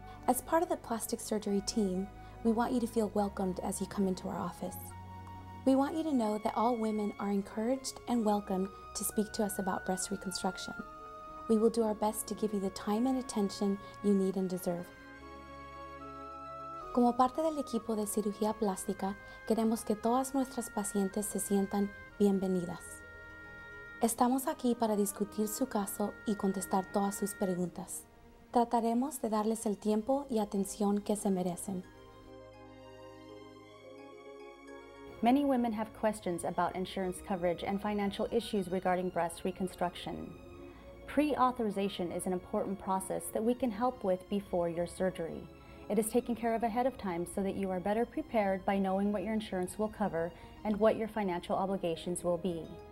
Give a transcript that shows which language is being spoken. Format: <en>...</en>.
<en>As part of the plastic surgery team, we want you to feel welcomed as you come into our office. We want you to know that all women are encouraged and welcomed to speak to us about breast reconstruction. We will do our best to give you the time and attention you need and deserve.</en> <es>Como parte del equipo de cirugía plástica, queremos que todas nuestras pacientes se sientan bienvenidas. Estamos aquí para discutir su caso y contestar todas sus preguntas. Trataremos de darles el tiempo y atención que se merecen.</es> <en>Many women have questions about insurance coverage and financial issues regarding breast reconstruction. Pre-authorization is an important process that we can help with before your surgery. It is taken care of ahead of time so that you are better prepared by knowing what your insurance will cover and what your financial obligations will be.</en>